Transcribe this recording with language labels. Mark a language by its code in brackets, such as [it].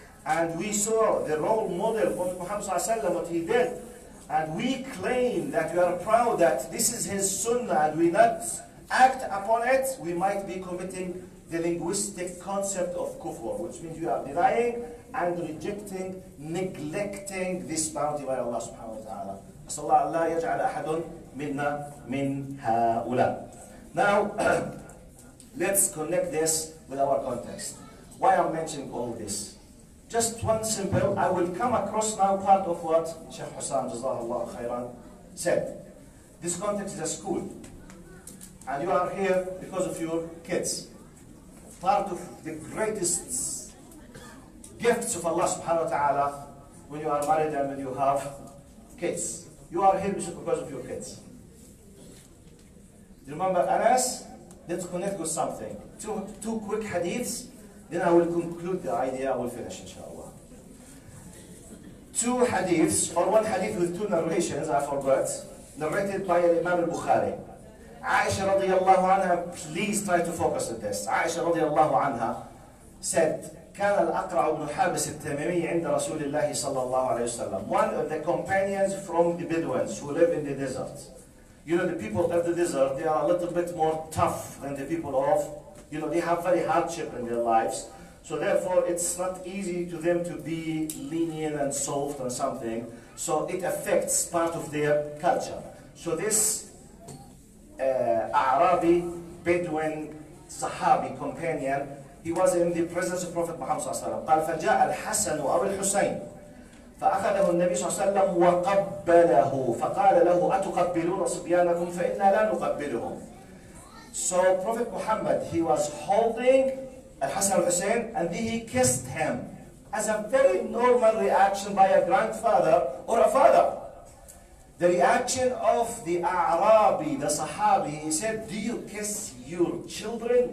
[en] and we saw the role model of Muhammad, what he did, and we claim that we are proud that this is his sunnah and we not act upon it, we might be committing the linguistic concept of kufr, which means you are denying and rejecting, neglecting this bounty by Allah subhanahu wa ta'ala. [ar] صلى الله لا يجعل أحد منا من هؤلاء. [en] Now let's connect this with our context. Why I'm mentioning all this? Just one simple. I will come across now part of what Sheikh Hussain [ar] جزاه الله خيرا [en] said. This context is a school, and you are here because of your kids. Part of the greatest gifts of Allah سبحانه وتعالى when you are married and when you have kids. You are here because of your kids. You remember Anas? Let's connect with something. Two quick hadiths, then I will conclude the idea, I will finish, inshallah. Two hadiths, or one hadith with two narrations, I forgot, narrated by Imam al-Bukhari. Aisha radiallahu anha, please try to focus on this. Aisha radiallahu anha said, [ar] كان الأقرع بن حابس التميمي عند رسول الله صلى الله عليه وسلم. [en] One of the companions from the Bedouins who live in the desert. You know, the people of the desert, they are a little bit more tough than the people of, you know, they have very hardship in their lives. So therefore, it's not easy to them to be lenient and soft and something. So it affects part of their culture. So this Arabi Bedouin Sahabi companion, he was in the presence of Prophet Muhammad صلى الله عليه وسلم. [ar] قال فجاء الحسن أو الحسين فأخذه النبي صلى الله عليه وسلم وقبله فقال له أتقبلون صبيانكم فإنا لا نقبلهم. [en] So Prophet Muhammad, he was holding الحسن الحسين and then he kissed him as a very normal reaction by a grandfather or a father. The reaction of the Arabi, the Sahabi, he said, do you kiss your children?